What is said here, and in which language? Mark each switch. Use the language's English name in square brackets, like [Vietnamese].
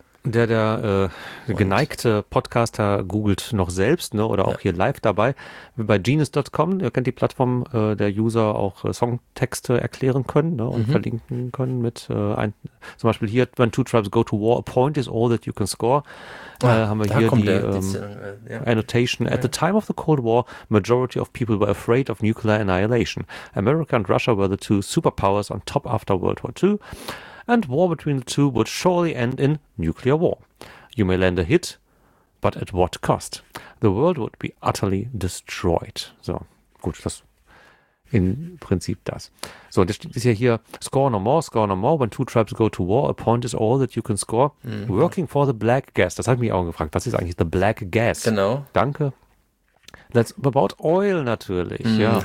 [German] Der geneigte Podcaster googelt noch selbst, ne, oder auch hier live dabei. Bei genius.com, ihr kennt die Plattform, der User auch Songtexte erklären können, ne, und verlinken können mit zum Beispiel hier, [English] when two tribes go to war, a point is all that you can score. [German] Haben wir hier Annotation. [English] At the time of the Cold War, majority of people were afraid of nuclear annihilation. America and Russia were the two superpowers on top after World War II. And war between the two would surely end in nuclear war. You may land a hit, but at what cost? The world would be utterly destroyed. [German] So, gut, das im Prinzip das. So, das ist ja hier, [English] score no more, when two tribes go to war, a point is all that you can score. [German] Mhm. [English] Working for the black gas, [German] das hat mich auch gefragt, was ist eigentlich [English] the black gas? [German] Genau. Danke. [English] That's about oil [German] natürlich, ja.